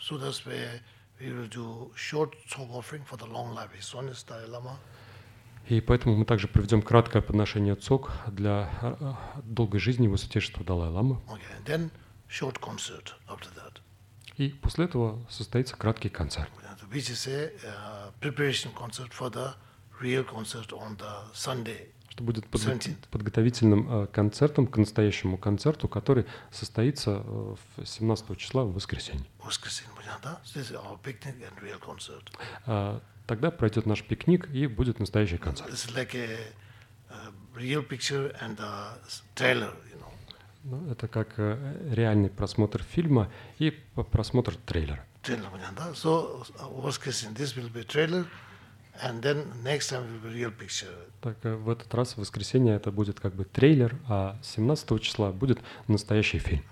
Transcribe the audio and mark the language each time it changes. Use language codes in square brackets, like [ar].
[en] So that's where we will do short song offering for the long life of His Holiness Dalai Lama. [ru] И поэтому мы также проведем краткое подношение цок для долгой жизни его святейшества Далай Ламы. [en] Okay. Then short concert after that. [ru] И после этого состоится краткий концерт. [en] Which is a preparation concert for the real concert on the Sunday. [ru] Что будет подготовительным концертом к настоящему концерту, который состоится 17 числа в воскресенье. Воскресенье, понятно, да? [en] So this is our picnic and real concert. [ru] Тогда пройдет наш пикник и будет настоящий концерт. [en] It's like a real picture and a trailer, you know. [ru] Ну, это как реальный просмотр фильма и просмотр трейлера. Трейлер, понятно, да? [en] So, воскресенье, this will be trailer. And then next time will be real picture. [ru] Так в этот раз в воскресенье это будет как бы трейлер, а 17 числа будет настоящий фильм.